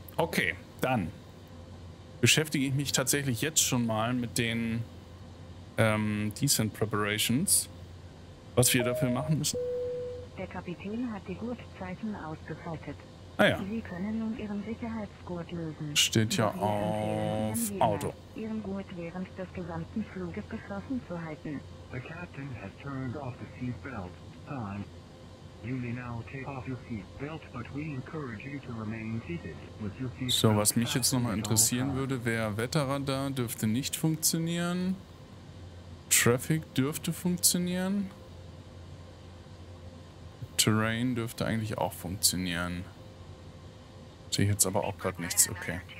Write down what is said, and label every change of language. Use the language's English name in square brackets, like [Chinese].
[German] Okay, dann beschäftige ich mich tatsächlich jetzt schon mal mit den Descent Preparations, was wir dafür machen müssen. Der Kapitän hat die Gurtzeichen ausgeschaltet. Ah ja. Sie können nun Ihren Sicherheitsgurt lösen. Steht ja auf Auto. Ihren Gurt während des gesamten Fluges geschlossen zu halten. [English] The captain has turned off the seatbelt. Time. You may now take off your seatbelt, but we encourage you to remain seated with your seatbelt. [German] So, was mich jetzt nochmal interessieren würde, wäre Wetterradar dürfte nicht funktionieren. Traffic dürfte funktionieren. Terrain dürfte eigentlich auch funktionieren. Sehe ich jetzt aber auch gerade nichts, okay.